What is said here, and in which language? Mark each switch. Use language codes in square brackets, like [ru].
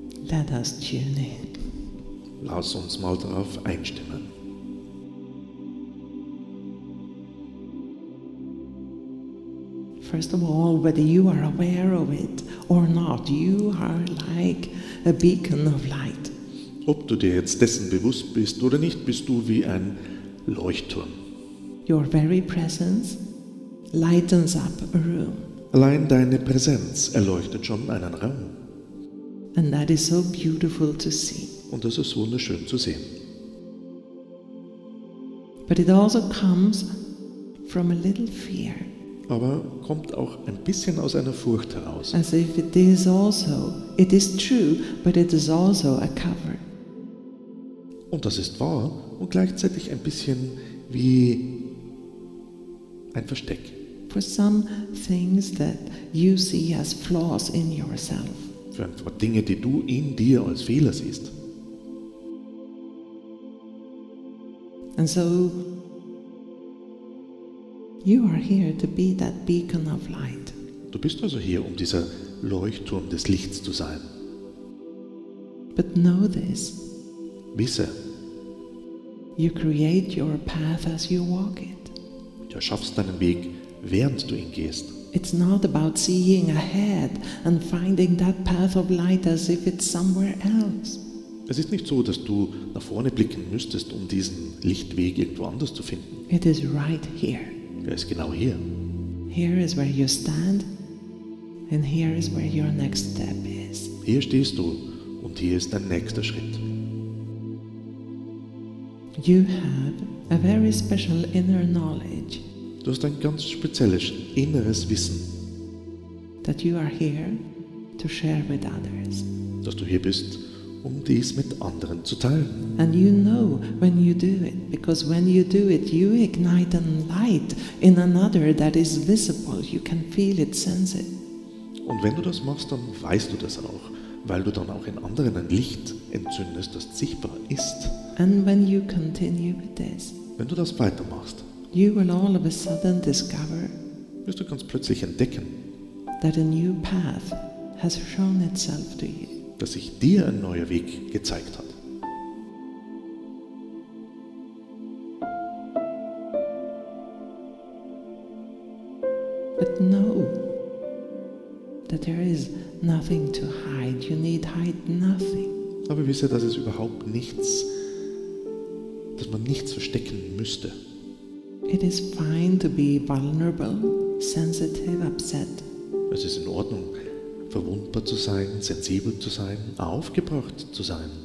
[en] Let us tune in. [de] Lass uns mal darauf einstimmen. [en] First of all, whether you are aware of it or not, you are like a beacon of light. [de] Ob du dir jetzt dessen bewusst bist oder nicht, bist du wie ein Leuchtturm. [en] Your very presence lightens up a room. [de] Allein deine Präsenz erleuchtet schon einen Raum. [en] And that is so beautiful to see. [de] Und das ist wunderschön zu sehen. [en] But it also comes from a little fear. [de] Aber kommt auch ein bisschen aus einer Furcht heraus. [en] As if it is also, it is true, but it is also a cover. [de] Und das ist wahr und gleichzeitig ein bisschen wie ein Versteck. [en] For some things that you see as flaws in yourself. [de] Für ein paar Dinge, die du in dir als Fehler siehst. [en] And so you are here to be that beacon of light. [de] Du bist also hier, um dieser Leuchtturm des Lichts zu sein. [en] But know this. [de] Wisse. [en] You create your path as you walk it. [de] Du erschaffst deinen Weg, während du ihn gehst. [en] It's not about seeing ahead and finding that path of light as if it's somewhere else. [de] Es ist nicht so, dass du nach vorne blicken müsstest, um diesen Lichtweg irgendwo anders zu finden. [en] It is right here. [de] Er ist genau hier. [en] Here is where you stand and here is where your next step is. [de] Hier stehst du und hier ist dein nächster Schritt. [en] You have a very special inner knowledge. [de] Du hast ein ganz spezielles inneres Wissen. [en] That you are here to share with others. [de] Dass du hier bist, um dies mit anderen zu teilen. [en] And you know when you do it, because when you do it, you ignite a light in another that is visible. You can feel it, sense it. [de] Und wenn du das machst, dann weißt du das auch. Weil du dann auch in anderen ein Licht entzündest, das sichtbar ist. [en] And when you continue with this, [de] wenn du das weitermachst, [en] you will all of a sudden discover, [de] wirst du ganz plötzlich entdecken, [en] that a new path has shown itself to you, [de] dass sich dir ein neuer Weg gezeigt hat. [en] But know that there is nothing to hide. You need hide nothing. [de] Aber wisse, dass es überhaupt nichts, dass man nichts verstecken müsste. [en] It is fine to be vulnerable, sensitive, upset. [de] Es ist in Ordnung, verwundbar zu sein, sensibel zu sein, aufgebracht zu sein.